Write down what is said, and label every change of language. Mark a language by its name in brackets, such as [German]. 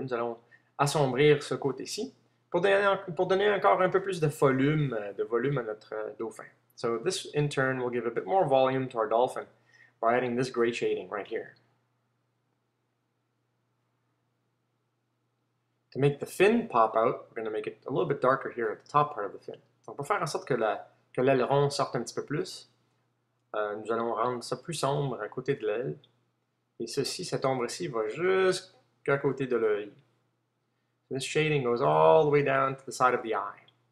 [French] Nous allons assombrir ce côté-ci pour donner encore un peu plus de volume à notre dauphin. [English] So this in turn will give a bit more volume to our dolphin by adding this gray shading right here. To make the fin pop out, we're going to make it a little bit darker here at the top part of the fin. [French] Donc pour faire en sorte que l'aileron sorte un petit peu plus, nous allons rendre ça plus sombre à côté de l'aile. Et ceci, cette ombre-ci, va jusqu'à côté de l'œil. [English] This shading goes all the way down to the side of the eye.